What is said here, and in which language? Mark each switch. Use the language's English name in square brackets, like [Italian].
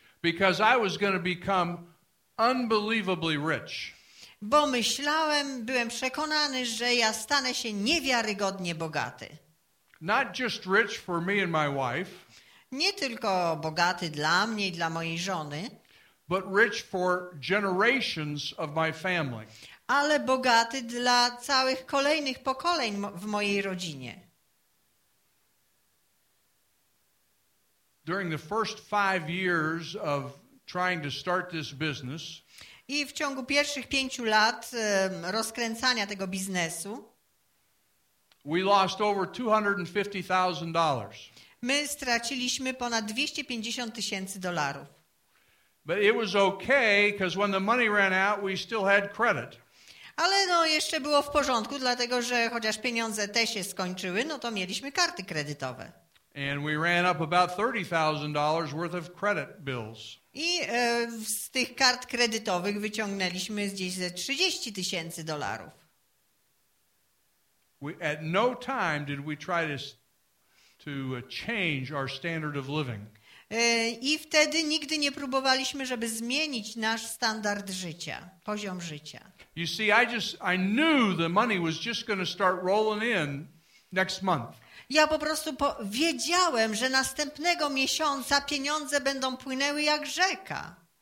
[English] Because I was going to become unbelievably rich. [Polish] Bo myślałem, byłem przekonany, że ja stanę się niewiarygodnie bogaty. [English] Not just rich for me and my wife. [Polish] Nie tylko bogaty dla mnie i dla mojej żony. [English] But rich for generations of my family. [Polish] Ale bogaty dla całych kolejnych pokoleń w mojej rodzinie. [English] During the first 5 years of trying to start this business, [Polish] i w ciągu pierwszych 5 lat rozkręcania tego biznesu, [English] we lost over $250,000. [Polish] My straciliśmy ponad 250 tysięcy dolarów. [English] But it was okay, because when the money ran out, we still had credit. [Polish] Ale no, jeszcze było w porządku, dlatego że chociaż pieniądze te się skończyły, no to mieliśmy karty kredytowe. [English] And we ran up about $30,000 worth of credit bills. [Polish] I z tych kart kredytowych wyciągnęliśmy gdzieś ze 30 tysięcy dolarów. [English] At no time did we try to change our standard of living. [Polish] I wtedy nigdy nie próbowaliśmy, żeby zmienić nasz standard życia, poziom życia. [English] You see, I knew the money was just going to start rolling in next month. [Polish] Ja po prostu wiedziałem, że następnego miesiąca pieniądze będą płynęły jak rzeka.